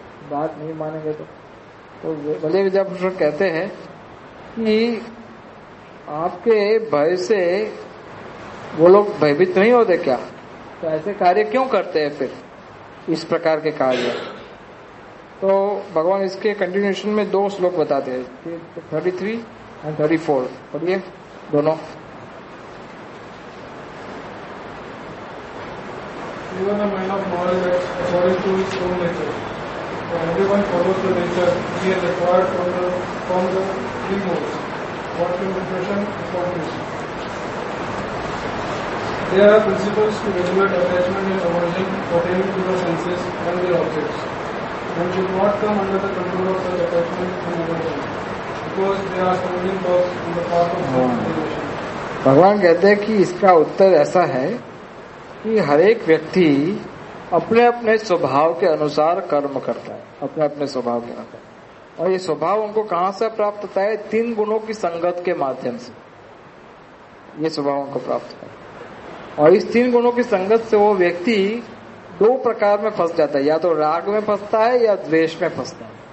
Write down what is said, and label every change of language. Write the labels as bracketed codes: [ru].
[hi] बात नहीं मानेंगे तो बलदेव विद्याभूषण कहते हैं कि आपके भय से वो लोग भयभीत नहीं होते क्या, तो ऐसे कार्य क्यों करते हैं फिर, इस प्रकार के कार्य। तो भगवान इसके कंटिन्यूशन में दो श्लोक बताते हैं, 33 और 34 पढ़िए दोनों। [en] Even a man of knowledge acts according to his own nature. For everyone follows the nature he has acquired from the three modes, what is impression, formation. There are principles to regulate attachment and aversion pertaining to the senses and their objects. One should not come under the control of such attachment and aversion, because they are stumbling blocks in the path of self-realization. [hi] भगवान कहते हैं कि इसका उत्तर ऐसा है कि हर एक व्यक्ति अपने अपने स्वभाव के अनुसार कर्म करता है, अपने अपने स्वभाव के अनुसार, और ये स्वभाव उनको कहाँ से प्राप्त होता है, तीन गुणों की संगत के माध्यम से ये स्वभाव उनको प्राप्त होता है, और इस तीन गुणों की संगत से वो व्यक्ति दो प्रकार में फंस जाता है, या तो राग में फंसता है या द्वेष में फंसता है।